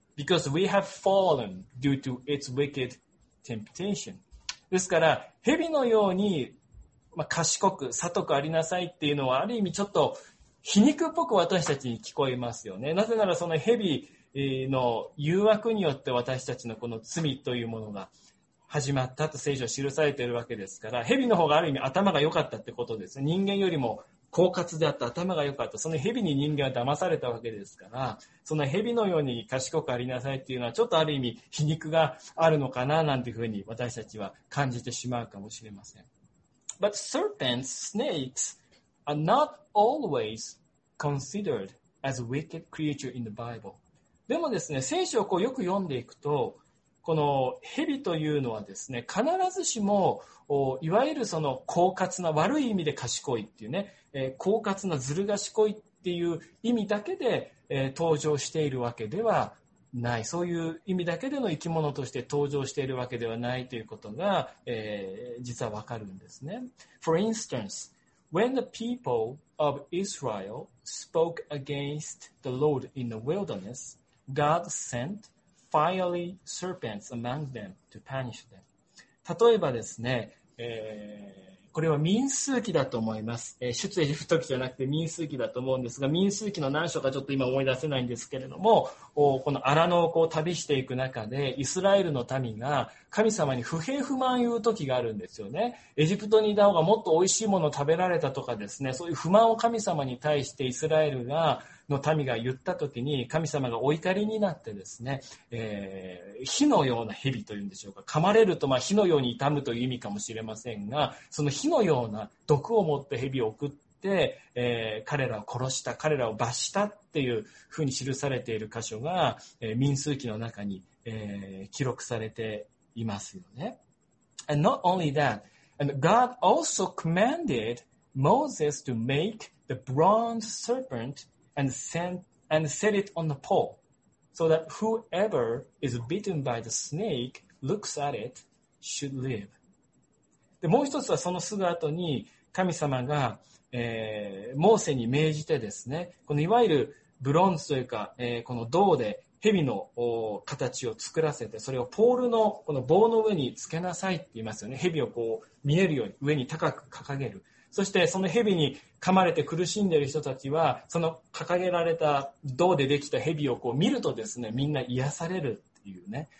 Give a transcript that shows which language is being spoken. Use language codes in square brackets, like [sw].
[en] because we have fallen due to its wicked temptation. [ja] ですから、蛇のように、まあ、賢く、悟くありなさいっていうのは、ある意味ちょっと皮肉っぽく私たちに聞こえますよね。なぜならその蛇の誘惑によって私たちのこの罪というものが始まったと聖書は記されているわけですから、蛇の方がある意味頭が良かったってことです。人間よりも狡猾であった、頭が良かった。その蛇に人間は騙されたわけですから、その蛇のように賢くありなさいっていうのは、ちょっとある意味皮肉があるのかななんていうふうに私たちは感じてしまうかもしれません。 [en] But serpents, snakes are not always considered as wicked creature in the Bible. [ja] でもですね、聖書をこうよく読んでいくと、この蛇というのはですね、必ずしもいわゆるその狡猾な悪い意味で賢いっていうね、狡猾なずる賢いっていう意味だけで、登場しているわけではない、そういう意味だけでの生き物として登場しているわけではないということが、実はわかるんですね。 [en] For instance, when the people of Israel spoke against the Lord in the wilderness, God sentfiery serpents among them to punish them. [ja] 例えばですね、これは民数記だと思います。出エジプト記じゃなくて民数記だと思うんですが、民数記の何章かちょっと今思い出せないんですけれども、この荒野をこう旅していく中で、イスラエルの民が神様に不平不満言う時があるんですよね。エジプトにいた方がもっと美味しいものを食べられたとかですね、そういう不満を神様に対してイスラエルがの民が言った時に、神様がお怒りになってですね、火のような蛇というんでしょうか、噛まれるとまあ火のように痛むという意味かもしれませんが、その火のような毒を持って蛇を送って、彼らを殺した、彼らを罰したっていうふうに記されている箇所が、民数記の中に、記録されていますよね。 [en] And not only that, and God also commanded Moses to make the bronze serpentand set it on the pole, so that whoever is bitten by the snake looks at it should live. [ja] で、もう一つはそのすぐ後に神様が、モーセに命じてですね、このいわゆるブロンズというか、この銅で蛇の形を作らせて、それをポールのこの棒の上につけなさいって言いますよね。蛇をこう見えるように上に高く掲げる。そしてその蛇に噛まれて苦しんでいる人たちは、その掲げられた銅でできた蛇をこう見るとですね、みんな癒されるっていうね。